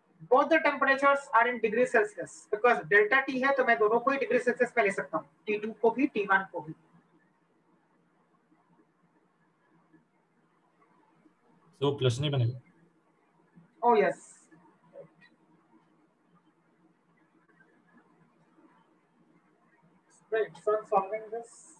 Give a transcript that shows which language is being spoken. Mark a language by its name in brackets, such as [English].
[English] both the temperatures are in degree Celsius because [Hindi] delta T है तो मैं दोनों को ही degree Celsius पे ले सकता हूँ T two को भी T one को भी तो plus नहीं बनेगा [English] oh yes right so I'm solving this